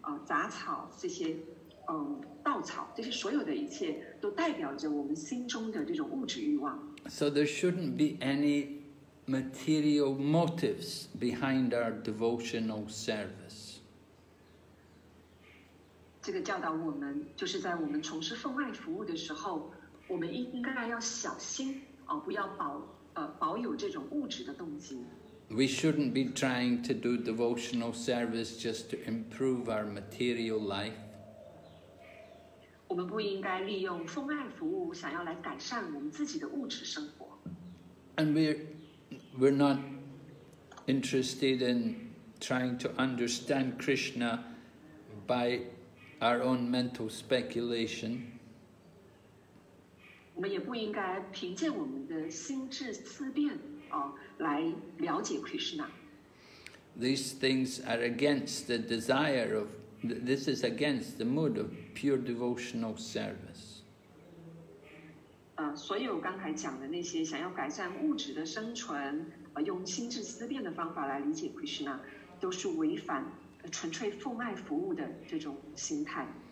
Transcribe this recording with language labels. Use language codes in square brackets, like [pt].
[zh] 杂草这些稻草，这些所有的一切都代表着我们心中的这种物质欲望。 [en] So there shouldn't be any material motives behind our devotional service. [zh] 这个教导我们，就是在我们从事奉爱服务的时候，我们应该要小心不要保有这种物质的动机。 [en] We shouldn't be trying to do devotional service just to improve our material life. [zh] 我们不应该利用奉爱服务想要来改善我们自己的物质生活。 [en] And we're not interested in trying to understand Krishna by our own mental speculation. [zh] 我们也不应该凭借我们的心智思辨来了解 Krishna. [en] These things are against the desire of, this is against the mood of pure devotional service. [zh] 所有刚才讲的那些想要改善物质的生存用心智思辨的方法来理解 Krishna, 都是违反纯粹奉爱服务的这种心态。